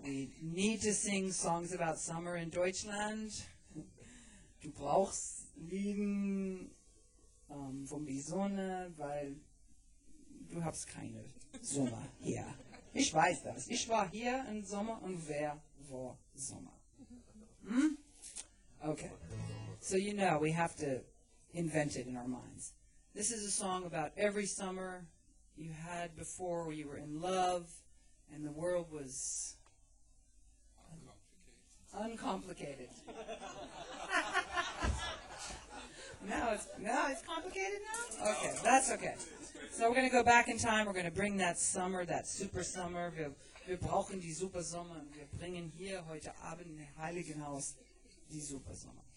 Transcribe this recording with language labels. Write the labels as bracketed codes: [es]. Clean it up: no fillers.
[en] We need to sing songs about summer in Deutschland. [de] Du brauchst Lieden von der Sonne, weil du hast keine Sommer hier. Ich weiß das. Ich war hier im Sommer und wer war Sommer? Hm? Okay. [en] So you know, we have to invent it in our minds. This is a song about every summer you had before where you were in love and the world was... Uncomplicated. Now it's complicated now? Okay, that's okay. So we're going to go back in time. We're going to bring that summer, that super summer. [de] Wir brauchen die super Sommer. Wir bringen hier heute Abend im Heiligenhaus die super Sommer.